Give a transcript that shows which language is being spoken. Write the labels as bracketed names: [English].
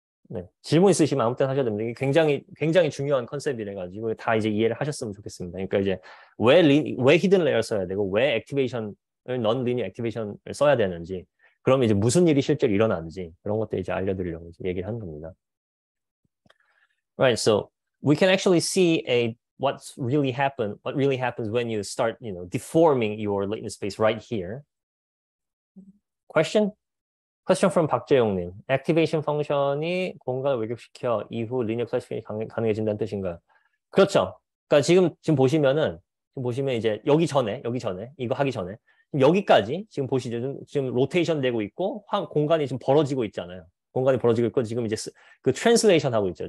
[Korean] 네, 질문 있으시면 아무 때 하셔도 됩니다. 굉장히 굉장히 중요한 컨셉이래가지고 다 이제 이해를 하셨으면 좋겠습니다. 그러니까 이제 왜 히든 레이어 써야 되고 왜 액티베이션을 넌 리니어 액티베이션을 써야 되는지, 그럼 이제 무슨 일이 실제로 일어나는지 그런 것들 이제 알려드리려고 이제 얘기를 한 겁니다. [English] Right, so we can actually see what really happens when you start, you know, deforming your latent space right here. Question from 박재용님. [Korean] 액티베이션 펑션이 공간을 외곽시켜 이후 리니어 클래시피케이션이 가능해진다는 뜻인가요? 그렇죠. 그러니까 지금 보시면 이제 여기 전에, 이거 하기 전에, 여기까지 지금 보시죠. 지금 로테이션 되고 있고, 공간이 지금 벌어지고 있잖아요. 공간이 벌어지고 있고, 지금 이제 그 트랜슬레이션 하고 있죠.